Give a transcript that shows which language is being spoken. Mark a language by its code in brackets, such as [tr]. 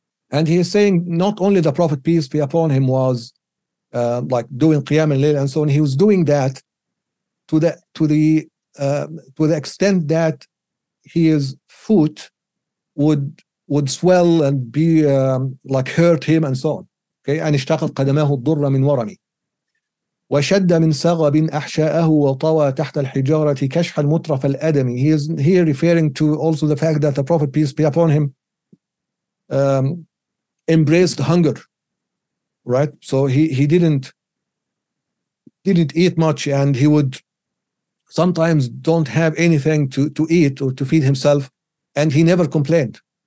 [en] And he is saying, not only the Prophet, peace be upon him, was doing Qiyam al-Layl and so on, he was doing that to the extent that his foot would swell and be hurt him and so on. Okay, and [ar] اشتقت قدماه الضر من ورمي وشد من سغب أحشاءه وطوى تحت الحجارة كشح المترف الأدمي. [en] He is here referring to also the fact that the Prophet, peace be upon him, embraced hunger, right? So he didn't eat much, and he would sometimes don't have anything to eat or to feed himself, and he never complained.